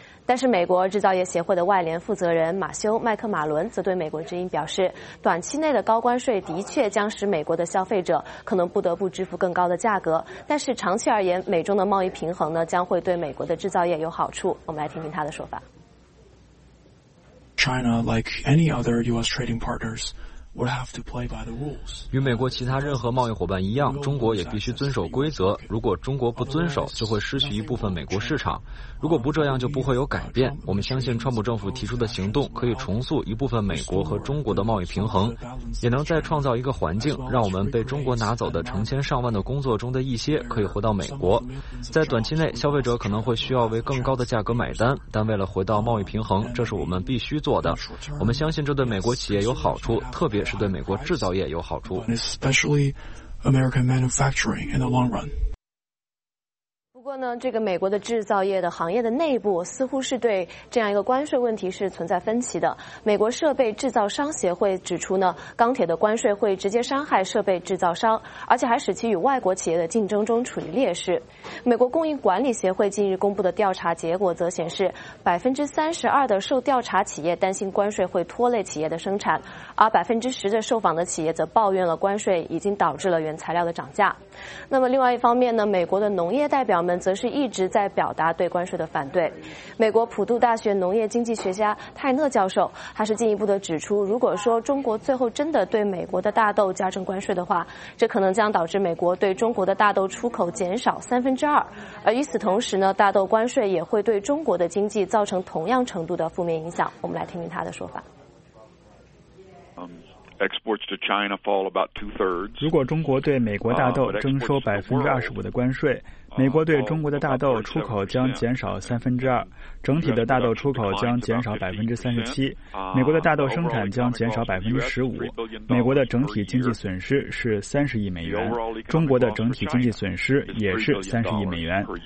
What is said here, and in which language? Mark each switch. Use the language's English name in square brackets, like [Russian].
[Chinese] 但是美国制造业协会的外联负责人马修·麦克马伦则对美国之音表示，短期内的高关税的确将使美国的消费者可能不得不支付更高的价格，但是长期而言，美中的贸易平衡呢将会对美国的制造业有好处。我们来听听他的说法。 [English] China, like any other US trading partners,would have to play by the rules. [Chinese] 与美国其他任何贸易伙伴一样，中国也必须遵守规则。如果中国不遵守，就会失去一部分美国市场。如果不这样，就不会有改变。我们相信川普政府提出的行动可以重塑一部分美国和中国的贸易平衡，也能再创造一个环境，让我们被中国拿走的成千上万的工作中的一些可以回到美国。在短期内，消费者可能会需要为更高的价格买单，但为了回到贸易平衡，这是我们必须做的。我们相信这对美国企业有好处，特别是对美国制造业有好处。 [English] Especially American manufacturing in the long run. [Chinese] 不过呢，这个美国的制造业的行业的内部似乎是对这样一个关税问题是存在分歧的。美国设备制造商协会指出呢，钢铁的关税会直接伤害设备制造商，而且还使其与外国企业的竞争中处于劣势。美国供应管理协会近日公布的调查结果则显示，32%的受调查企业担心关税会拖累企业的生产，而10%的受访的企业则抱怨了关税已经导致了原材料的涨价。那么另外一方面呢，美国的农业代表们则是一直在表达对关税的反对。美国普渡大学农业经济学家泰勒教授还是进一步的指出，如果说中国最后真的对美国的大豆加征关税的话，这可能将导致美国对中国的大豆出口减少2%，而与此同时呢，大豆关税也会对中国的经济造成同样程度的负面影响。我们来听听他的说法。 [English] Exports to China fall about two-thirds. [Chinese] 如果中国对美国大豆征收25%的关税，美国对中国的大豆出口将减少2%，整体的大豆出口将减少37%，美国的大豆生产将减少15%，美国的整体经济损失是30亿美元，中国的整体经济损失也是30亿美元。